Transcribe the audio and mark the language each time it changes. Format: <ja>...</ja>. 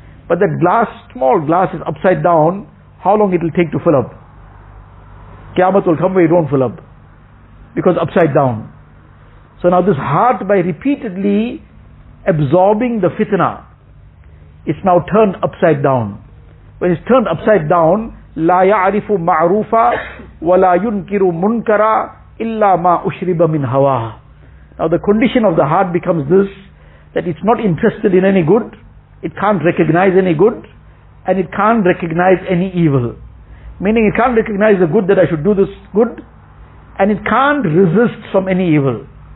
<en>But that glass, small glass is upside down, how long it will take to fill up? Kiamat will come where you don't fill up. Because upside down. So now this heart, by repeatedly absorbing the fitna, it's now turned upside down. When it's turned upside down,</en> <ar>لا يعرف معروفا ولا ينكر منكرا إلا ما أشرب من هوا.</ar> <en>Now the condition of the heart becomes this, that it's not interested in any good, it can't recognize any good, and it can't recognize any evil. Meaning it can't recognize the good, that I should do this good, and it can't resist from any evil.</en>